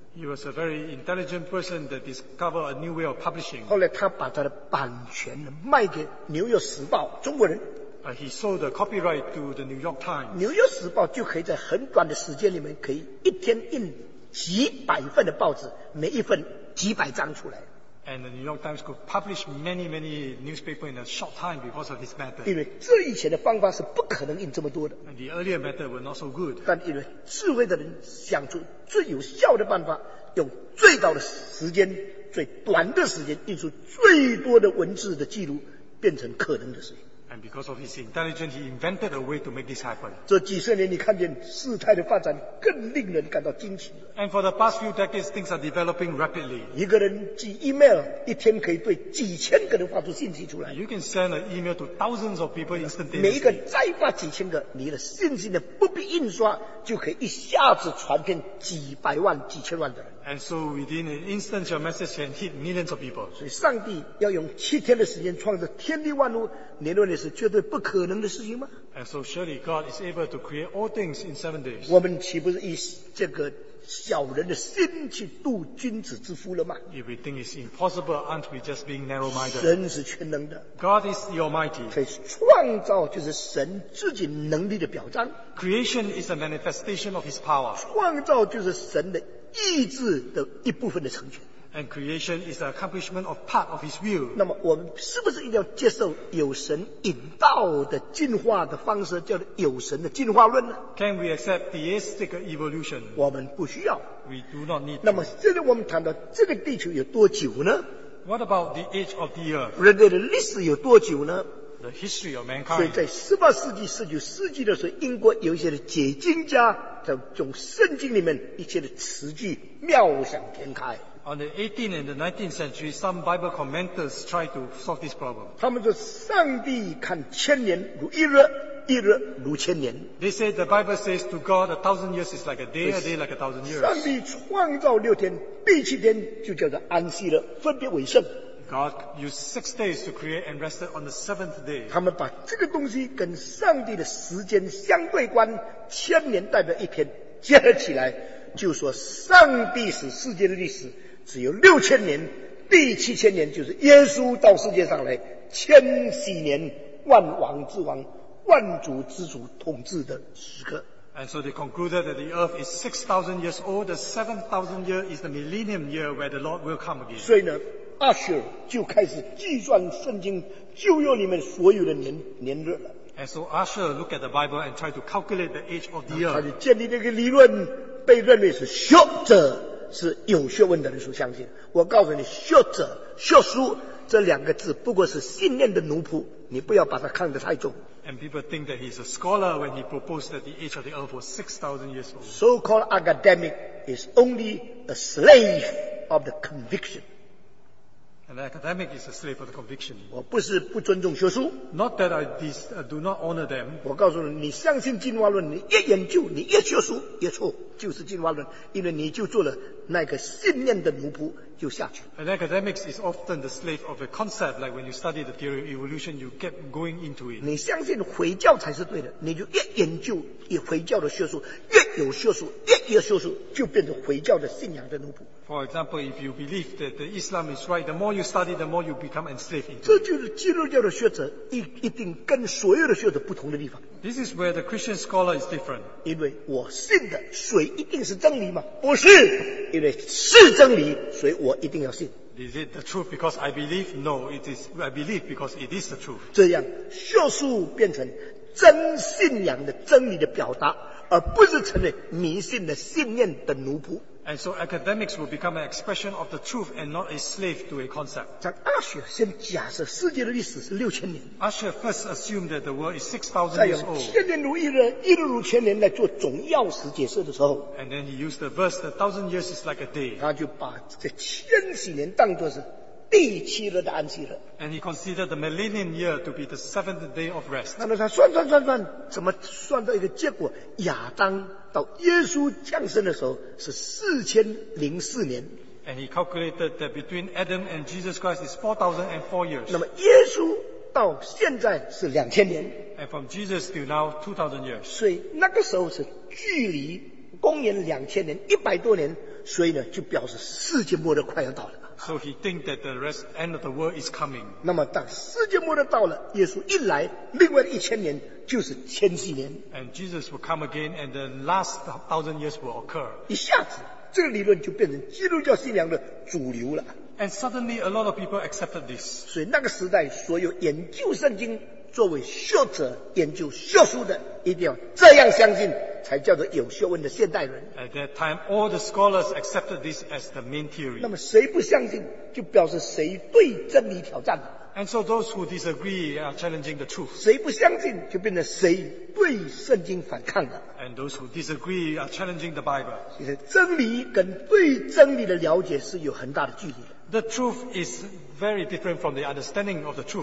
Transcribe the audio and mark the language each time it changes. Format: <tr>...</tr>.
<en>He was a very intelligent person that discovered a new way of publishing.</en> <zh>后来他把他的版权卖给《纽约时报》中国人。</zh> <en>He sold the copyright to the New York Times.</en> <zh>纽约时报就可以在很短的时间里面，可以一天印几百份的报纸，每一份几百张出来。</zh> <en>And the New York Times could publish many, many newspapers in a short time because of his method.</en> <zh>因为这以前的方法是不可能印这么多的。</zh> <en>And the earlier method was not so good.</en> <zh>但因为智慧的人想出最有效的办法，用最早的时间、最短的时间印出最多的文字的记录，变成可能的事情。</zh> <en>And because of his intelligence, he invented a way to make this happen.</en> <zh>这几十年，你看见事态的发展更令人感到惊奇。</zh> <en>And for the past few decades, things are developing rapidly.</en> <zh>一个人寄 email， 一天可以对几千个人发出信息出来。</zh> <en>You can send an email to thousands of people instantaneously.</en> <zh>每一个再发几千个，你的信息呢不必印刷，就可以一下子传遍几百万、几千万的人。</zh> <en>And so within an instant, your message can hit millions of people.</en> <zh>所以上帝要用七天的时间创造天地万物，你认为是绝对不可能的事情吗？</zh> <en>And so surely God is able to create all things in 7 days.</en> <zh>我们岂不是以这个小人的心去度君子之腹了吗？</zh> <en>If we think it's impossible, aren't we just being narrow-minded?</en> <zh>神是全能的。</zh> <en>God is the Almighty.</en> <zh>所以创造就是神自己能力的表彰。</zh> <en>Creation is a manifestation of His power.</en> <zh>创造就是神的意志的一部分的成全。</zh> <en>And creation is the accomplishment of part of His will.</en> <zh>那么我们是不是一定要接受有神引导的进化的方式，叫做有神的进化论呢？</zh> <en>Can we accept theistic evolution?</en> <zh>我们不需要。</zh> <en>We do not need.</en> <zh>那么现在我们谈到这个地球有多久呢？</zh> <en>What about the age of the earth?</en> <zh>人类的历史有多久呢？</zh> <en>The history of mankind.</en> <zh>所以在18世纪、19世纪的时候，英国有一些的解经家在从圣经里面一些的词句妙想天开。</zh> <en>On the 18th and the 19th century, some Bible commentators tried to solve this problem.</en> <zh>他们说上帝看千年如一日，一日如千年。</zh> <en>They said the Bible says to God, 1,000 years is like a day like 1,000 years.</en> <zh>上帝创造六天，第七天就叫做安息日，分别为圣。</zh> <en>God used 6 days to create and rested on the 7th day.</en> <zh>他们把这个东西跟上帝的时间相对观，千年代表一天，结合起来。就说上帝史世界的历史只有6000年，第7000年就是耶稣到世界上来千禧年，万王之王、万族之主统治的时刻。</zh> <en>And so they concluded that the earth is 6,000 years old. The 7,000 year is the millennium year where the Lord will come again.</en> <zh>所以呢，阿舍就开始计算圣经旧约里面所有的年日了。</zh> <en>And so Asher looked at the Bible and tried to calculate the age of the earth.</en> <zh>他就建立那个理论。被认为是学者，是有学问的人所相信。我告诉你，学者、学术这两个字不过是信念的奴仆，你不要把它看得太重。</zh> <en>And people think that he's a scholar when he proposed that the age of the earth was 6,000 years old. So-called academic is only a slave of the conviction. An academic is a slave of the conviction.</en> <zh>我不是不尊重学术。</zh> <en>Not that I do not honor them.</en> <zh>我告诉你，你相信进化论，你越研究，你越学术，越错。就是进化论，因为你就做了那个信念的奴仆，就下去了。</zh> <en>An academics is often the slave of a concept. Like when you study the theory of evolution, you get going into it.</en> <zh>你相信回教才是对的，你就越研究以回教的学术，越有学术，越有学术，就变成回教的信仰的奴仆。</zh> <en>For example, if you believe that the Islam is right, the more you study, the more you become enslaved.</en> <zh>这就是基督教的学者一定跟所有的学者不同的地方。</zh> <en>This is where the Christian scholar is different.</en> <zh>因为我信的水一定是真理吗？不是，因为是真理，所以我一定要信。</zh> <en>Is it the truth because I believe? No, it is. I believe because it is the truth.</en> <zh>这样，学术变成真信仰的真理的表达，而不是成为迷信的信念的奴仆。</zh> <en>And so academics will become an expression of the truth and not a slave to a concept.</en> <zh>像阿雪先假设世界的历史是六千年。</zh> <en>阿雪 first assumed that the world is 6,000 years old.</en> <zh>千年如一日，一日如千年来做总要时解释的时候。</zh> <en>And then he used the verse that 1,000 years is like a day.</en> <zh>他就把这千禧年当作是第七日的安息日。</zh> <en>And he considered the millennium year to be the seventh day of rest.</en> <zh>那他算算算算，怎么算到一个结果？亚当到耶稣降生的时候是4004年。</zh> <en>And he calculated that between Adam and Jesus Christ is 4004 years.</en> <zh>那么耶稣到现在是2000年。</zh> <en>And from Jesus till now 2000 years.</en> <zh>所以那个时候是距离公元2000年100多年，所以呢就表示世界末日快要到了。</zh> <en>So he thinks that the rest end of the world is coming.</en> <zh>那么当世界末日到了，耶稣一来，另外的一千年就是千禧年。</zh> <en>And Jesus will come again, and the last 1,000 years will occur.</en> <zh>一下子，这个理论就变成基督教信仰的主流了。</zh> <en>And suddenly, a lot of people accepted this.</en> <zh>所以那个时代，所有研究圣经作为学者研究学术的，一定要这样相信，才叫做有学问的现代人。</zh> <en>At that time, all the scholars accepted this as the main theory.</en> <zh>那么谁不相信，就表示谁对真理挑战了。</zh> <en>And so those who disagree are challenging the truth.</en> <zh>谁不相信，就变成谁对圣经反抗了。</zh> <en>And those who disagree are challenging the Bible.</en> <zh>其实真理跟对真理的了解是有很大的距离的。</zh> <en>The truth is very different from the understanding of the truth.</en>